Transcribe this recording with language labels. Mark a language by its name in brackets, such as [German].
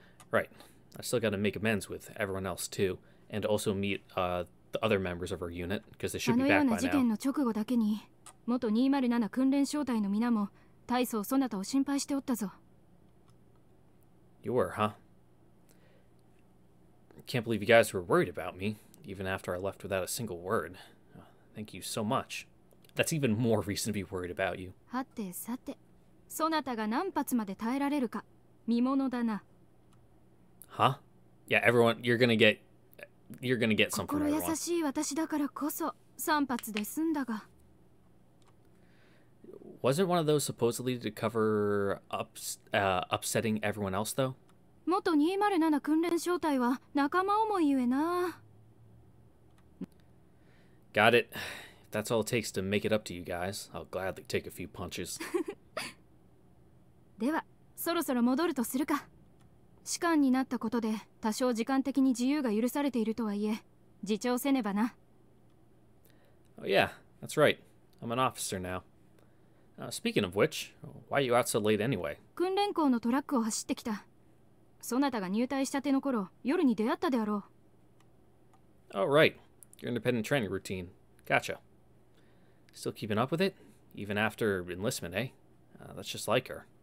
[English] Right, I still gotta make amends with everyone else too, and also meet the other members of our unit, because they should be back by now. [Japanese] あのような事件の直後だけに、元207訓練小隊の皆も大層そなたを心配しておったぞ。 [English] You were, huh? Can't believe you guys were worried about me, even after I left without a single word. Thank you so much. That's even more reason to be worried about you. [Japanese] はてさて、そなたが何発まで耐えられるか、見ものだな。 [English] Huh? Yeah, everyone, you're gonna get something out of one. [Japanese] 心優しい私だからこそ、3発で済んだが。 [English] Wasn't one of those supposedly to cover upsetting everyone else, though? [Japanese] 元207訓練小隊は仲間思いゆえな。 [English] Got it. If that's all it takes to make it up to you guys, I'll gladly take a few punches. [Japanese] では、そろそろ戻るとするか。士官になったことで多少時間的に自由が許されているとはいえ、自重せねばな。 [English] Oh yeah, that's right. I'm an officer now. Speaking of which, why are you out so late anyway? [Japanese] 訓練校のトラックを走ってきた。そなたが入隊したての頃、夜に出会ったであろう。 [English] Oh, right. Your independent training routine. Gotcha. Still keeping up with it? Even after enlistment, eh? That's just like her.